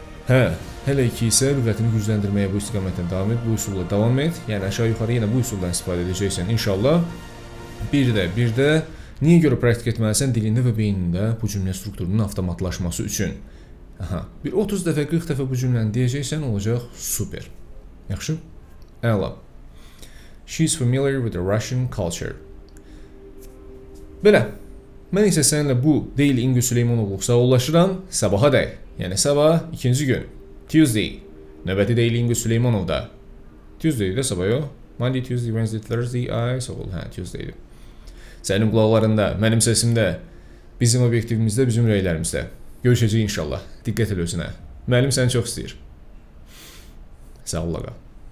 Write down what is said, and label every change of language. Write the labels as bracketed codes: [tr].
[az] Hələ ki isə lüğətini gücləndirməyə bu istiqamətdən davam et, bu üsulla davam et. Yəni aşağı-yuxarı yenə bu üsuldan istifadə edəcəksən inşallah. Bir də niyə görə praktik etməlisən dilində və beynində bu cümlə strukturunun avtomatlaşması üçün? Aha, bir 30 dəfə, 40 dəfə bu cümləni deyəcəksən olacaq super. Yaxşı? Əla. [en] She is familiar with the Russian culture. [az] Belə. Mən isə səninlə bu deyil İngi Süleymanovluq sağollaşıram. Sabaha dək. Yəni sabah ikinci gün. Tuesday. Növbəti deyil İngi Süleymanovda. Tuesday-də sabah yox. [en] Monday, Tuesday, Wednesday, Thursday, [az] ay, sağol. Hə, Tuesday-də. Sənin qulaqlarında, mənim səsimdə, bizim obyektivimizdə, bizim rəylərimizdə. Görüşəcəyik inşallah. Diqqət elə özünə. Müəllim səni çox istəyir. Sağ ol, qal.